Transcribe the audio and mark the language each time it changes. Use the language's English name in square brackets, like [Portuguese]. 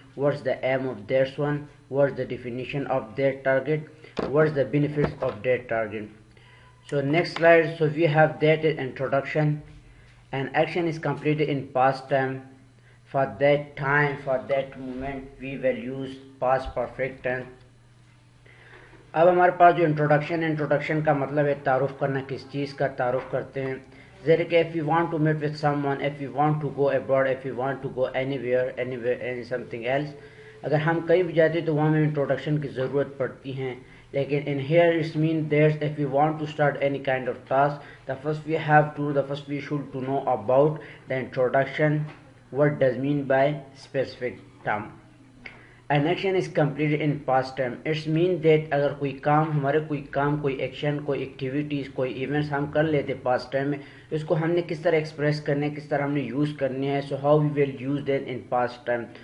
[English] What's the aim of this one? What's the definition of their target? What's the benefits of their target? So next slide, so we have that introduction. An action is completed in past time. For that time, for that moment, we will use past perfect tense. [Hindi] अब हमारे पास जो introduction, introduction का मतलब है तारुफ करना, किस चीज का तारुफ करते हैं. [English] जैसे if you want to meet with someone, if you want to go abroad, if you want to go anywhere, any something else. [Hindi] अगर हम कहीं भी जाते हैं तो वहाँ में introduction की ज़रूरत पड़ती है. [English] लेकिन in here it means there's if we want to start any kind of task, the first we should know about the introduction. What does mean by specific term? An action is completed in past time. It means that [Hindi] अगर कोई काम हमारे कोई काम कोई action कोई activities कोई events हम कर लेते past time में, तो इसको हमने किस तरह express करने, किस तरह हमने use करने हैं. [English] So how we will use that in past time.